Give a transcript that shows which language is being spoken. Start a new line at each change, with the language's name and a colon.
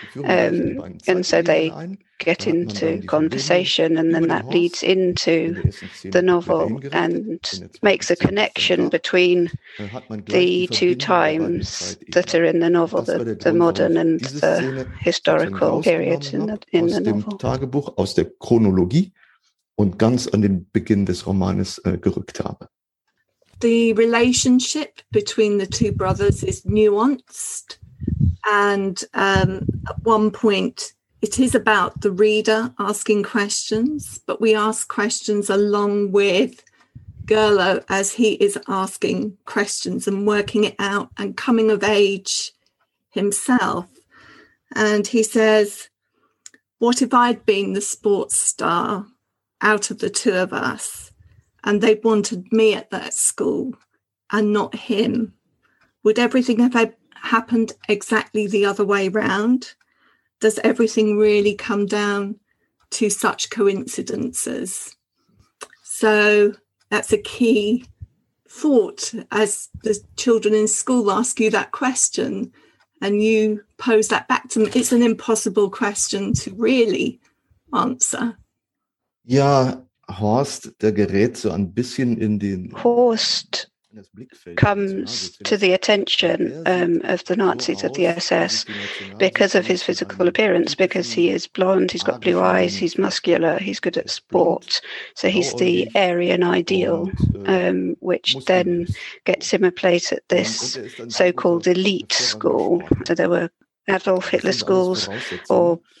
English: And so they get into conversation, and then that leads into the novel and makes a connection between the two times that are in the novel, the modern and the historical period in the novel.
German: Tagebuch aus der Chronologie und ganz an den Beginn des Romanes gerückt habe.
English: The relationship between the two brothers is nuanced, and at one point it is about the reader asking questions, but we ask questions along with Gerlo as he is asking questions and working it out and coming of age himself. And he says, what if I'd been the sports star out of the two of us? And they wanted me at that school and not him. Would everything have happened exactly the other way round? Does everything really come down to such coincidences? So that's a key thought as the children in school ask you that question and you pose that back to them. It's an impossible question to really answer. Yeah.
German: Horst, der gerät so ein bisschen in den
English: Horst comes to the attention of the Nazis of the SS because of his physical appearance, because he is blonde, he's got blue eyes, he's muscular, he's good at sport. So he's the Aryan ideal, which then gets him a place at this so-called elite school. So there were Adolf Hitler schools or